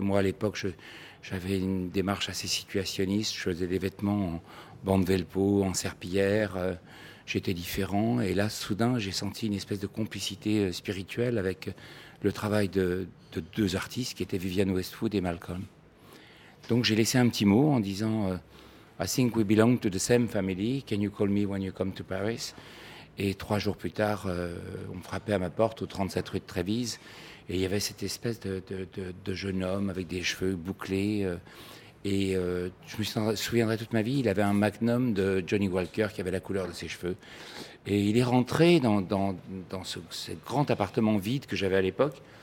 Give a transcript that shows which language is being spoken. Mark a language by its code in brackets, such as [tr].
[fr] Moi, à l'époque, j'avais une démarche assez situationniste. Je faisais des vêtements en bande velpo, en serpillière. J'étais différent. Et là, soudain, j'ai senti une espèce de complicité spirituelle avec le travail de deux artistes qui étaient Vivienne Westwood et Malcolm. Donc, j'ai laissé un petit mot en disant « [en] I think we belong to the same family. Can you call me when you come to Paris ?» [fr] Et trois jours plus tard, on frappait à ma porte au 37 rue de Trévise. Et il y avait cette espèce de jeune homme avec des cheveux bouclés. Je me souviendrai toute ma vie, il avait un magnum de Johnny Walker qui avait la couleur de ses cheveux. Et il est rentré dans ce grand appartement vide que j'avais à l'époque.